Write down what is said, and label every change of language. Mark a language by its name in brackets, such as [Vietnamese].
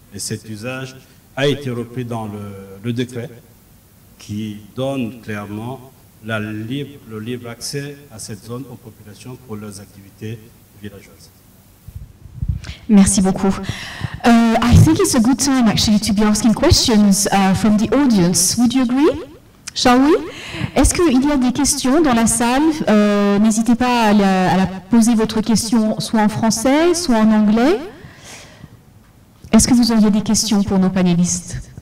[French] Et cet usage a été repris dans le décret qui donne clairement le libre accès à cette zone aux populations pour leurs activités villageoises. Merci beaucoup. [English] I think it's a good time actually to be asking questions from the audience. Would you agree? Shall we? [French] Est-ce qu'il y a des questions dans la salle? N'hésitez pas à poser votre question soit en français, soit en anglais. Est-ce que vous auriez des questions pour nos panélistes?